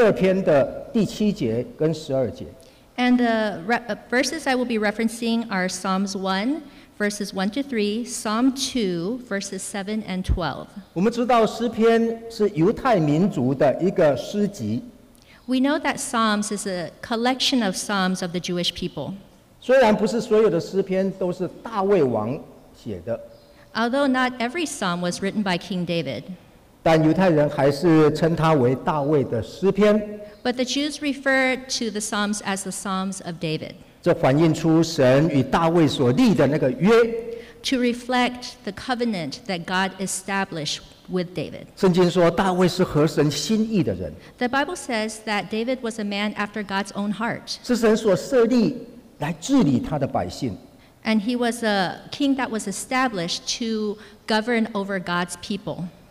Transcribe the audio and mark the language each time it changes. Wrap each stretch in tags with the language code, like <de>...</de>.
<zh>我用的经文是诗篇第一篇1到3节，还有第二篇的第7节跟12节。</zh> <en>And the verses I will be referencing are Psalms 1, verses 1 to 3, Psalm 2, verses 7 and 12.</en> <zh>我们知道诗篇是犹太民族的一个诗集。</zh> <en>We know that Psalms is a collection of Psalms of the Jewish people.</en> <zh>虽然不是所有的诗篇都是大卫王写的。</zh> <en>Although not every Psalm was written by King David.</en> <zh>但犹太人还是称它为大卫的诗篇。</zh> <en>But the Jews refer to the Psalms as the Psalms of David.</en> <zh>这反映出神与大卫所立的那个约。</zh> <en>To reflect the covenant that God established with David.</en> <zh>圣经说大卫是合神心意的人。</zh> <en>The Bible says that David was a man after God's own heart.</en> <zh>是神所设立来治理他的百姓。</zh> <en>And he was a king that was established to govern over God's people.</en>